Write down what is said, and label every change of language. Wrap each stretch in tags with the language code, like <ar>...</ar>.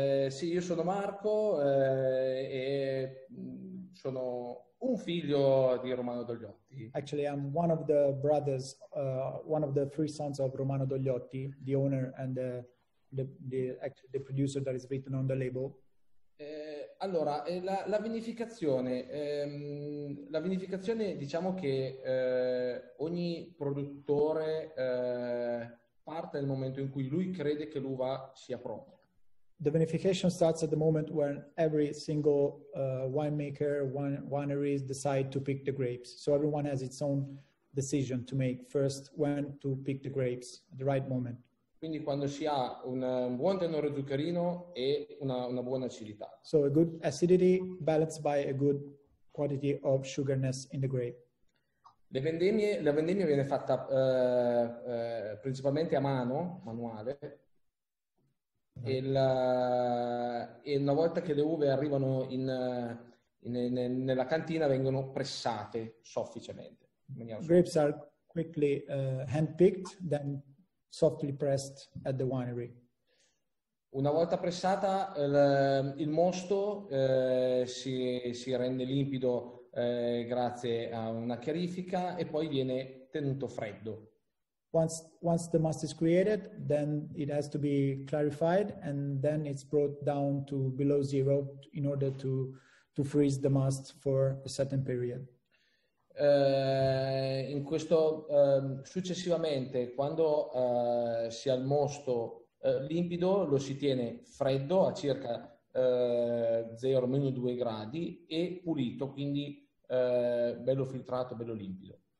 <it>Sì, io sono Marco e sono un figlio di Romano Dogliotti.</it> <en>Actually, I'm one of the brothers, one of the three sons of Romano Dogliotti, the owner and the producer that is written on the label.</en> <it>Allora, la vinificazione. La vinificazione, diciamo che ogni produttore parte nel momento in cui lui crede che l'uva sia pronta.</it> <en>The vinification starts at the moment when every single winemaker, wineries decide to pick the grapes. So everyone has its own decision to make first when to pick the grapes at the right moment.</en> <it>Quindi quando si ha un buon tenore zuccherino e una buona acidità.</it> <en>So a good acidity balanced by a good quantity of sugarness in the grape.</en> <it>La vendemmia viene fatta principalmente a mano, manuale. E una volta che le uve arrivano nella cantina vengono pressate sofficemente.</it> <en>Grapes are quickly hand-picked, then softly pressed at the winery.</en> <it>Una volta pressata, il mosto si rende limpido grazie a una chiarifica e poi viene tenuto freddo.</it> <en>Once the must is created, then it has to be clarified, and then it's brought down to below zero in order to freeze the must for a certain period.</en> <it>In questo successivamente, quando si ha il mosto limpido, lo si tiene freddo a circa 0-2 gradi e pulito, quindi bello filtrato, bello limpido.</it>